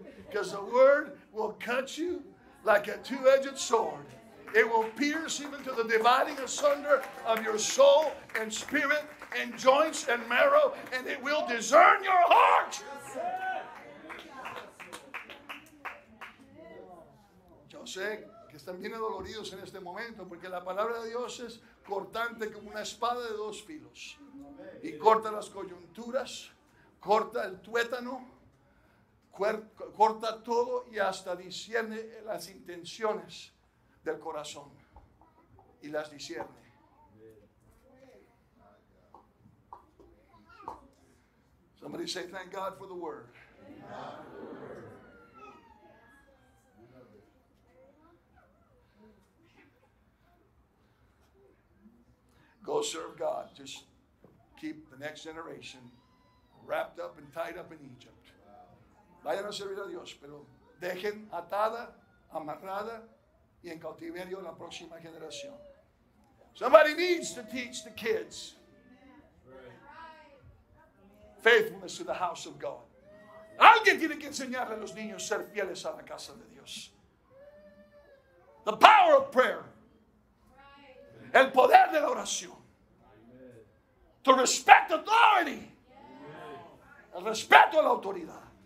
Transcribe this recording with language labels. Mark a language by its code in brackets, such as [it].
[en] Because the word will cut you like a two-edged sword. It will pierce even to the dividing asunder of your soul and spirit and joints and marrow, and it will discern your heart. [es] Yo sé que están bien adoloridos en este momento porque la palabra de Dios es cortante como una espada de 2 filos. Y corta las coyunturas, corta el tuétano, corta todo y hasta discierne las intenciones del corazón. Y las discierne. [en] Somebody say, thank God for the word. Go serve God. Just keep the next generation wrapped up and tied up in Egypt. [es] Vayan a servir a Dios, pero dejen atada, amarrada, y en cautiverio la próxima generación. [en] Somebody needs to teach the kids faithfulness to the house of God. [es] Alguien tiene que enseñarle a los niños ser fieles a la casa de Dios. [en] The power of prayer. [es] El poder de la oración. [en] To respect authority. [es] El respeto a la autoridad.